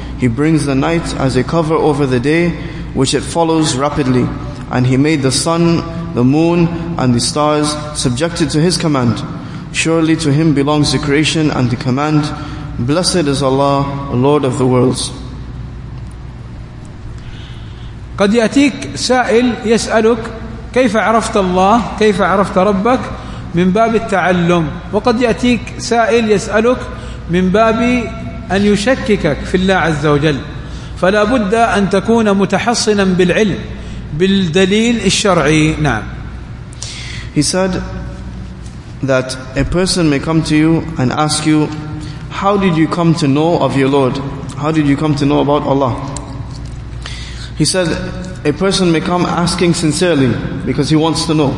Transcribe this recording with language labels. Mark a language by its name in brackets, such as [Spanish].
[English] He brings the night as a cover over the day, which it follows rapidly. And he made the sun, the moon, and the stars subjected to his command. Surely to him belongs the creation and the command. Blessed is Allah, Lord of the worlds. [Arabic] قد يأتيك سائل يسألك كيف عرفت الله كيف عرفت ربك من باب التعلم، وقد يأتيك سائل يسألك من باب أن يشككك في الله عز وجل، فلا بد أن تكون متحصنا بالعلم بالدليل الشرعي. نعم. [English] He said that a person may come to you and ask you, how did you come to know of your Lord? How did you come to know about Allah? He said, a person may come asking sincerely because he wants to know.